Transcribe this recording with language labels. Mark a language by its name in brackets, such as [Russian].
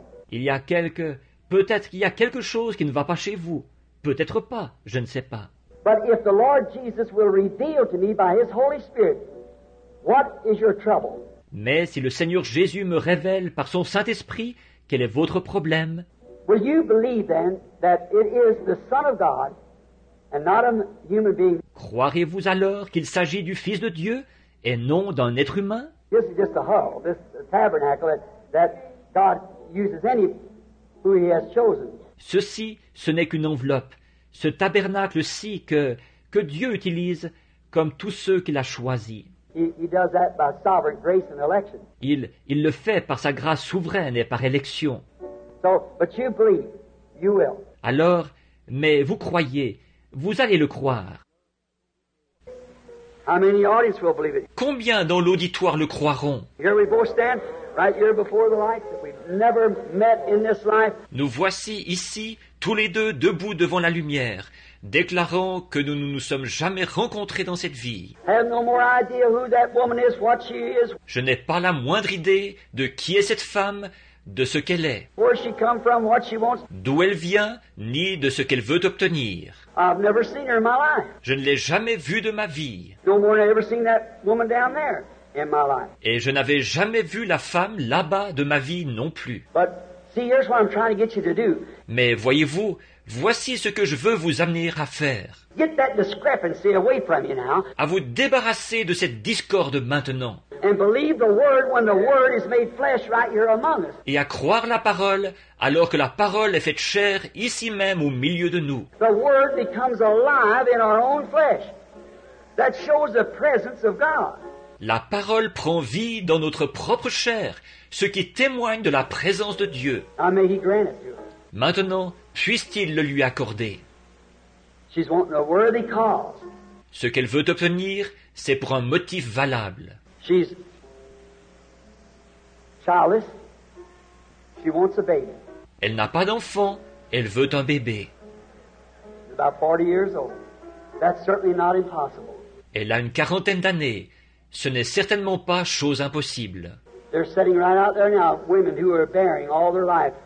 [French] Il y a peut-être qu'il y a quelque chose qui ne va pas chez vous. Peut-être pas, je ne sais pas. [English] But if the Lord Jesus will reveal to me by His Holy Spirit, what is your trouble? [French] Mais si le Seigneur Jésus me révèle par son Saint-Esprit, quel est votre problème? [English] Will you believe then that it is the Son of God and not a human being? [French] Croirez-vous alors qu'il s'agit du Fils de Dieu et non d'un être humain? [English] This is just a hall, this tabernacle that God uses any who He has chosen. [French] Ceci, ce n'est qu'une enveloppe, ce tabernacle-ci que Dieu utilise comme tous ceux qu'il a choisis. [English] He does that by sovereign grace and election. [French] Il le fait par sa grâce souveraine et par élection. [English] So, but you believe, you will. [French] Alors, mais vous croyez, vous allez le croire. [English] How many audience will believe it? [French] Combien dans l'auditoire le croiront? [English] Here we both stand, right here before the light that we've never met in this life. [French] Nous voici ici, tous les deux, debout devant la lumière, déclarant que nous ne nous sommes jamais rencontrés dans cette vie. [English] Have no more idea who that woman is, what she is. [French] Je n'ai pas la moindre idée de qui est cette femme, de ce qu'elle est, [English] where she come from, what she wants. [French] D'où elle vient, ni de ce qu'elle veut obtenir. [English] I've never seen her in my life. [French] Je ne l'ai jamais vue de ma vie. [English] No more than I ever seen that woman down there in my life. [French] Et je n'avais jamais vu la femme là-bas de ma vie non plus. [English] But see, here's what I'm trying to get you to do. [French] Mais voyez-vous, voici ce que je veux vous amener à faire. [English] Get that discrepancy away from you now. [French] À vous débarrasser de cette discorde maintenant. [English] And believe the word when the word is made flesh right here among us. [French] Et à croire la parole alors que la parole est faite chair ici même au milieu de nous. [English] The word becomes alive in our own flesh. That shows the presence of God. [French] La parole prend vie dans notre propre chair, ce qui témoigne de la présence de Dieu. [English] And may He grant it to us. [French] Maintenant, puisse-t-il le lui accorder? [English] She's wanting a worthy cause. [French] Ce qu'elle veut obtenir, c'est pour un motif valable. [English] She's childless. She wants a baby. [French] Elle n'a pas d'enfant. Elle veut un bébé. [English] She's about 40 years old. That's certainly not impossible. [French] Elle a une quarantaine d'années. Ce n'est certainement pas chose impossible. [English] They're sitting right out there now, women who are bearing all their life.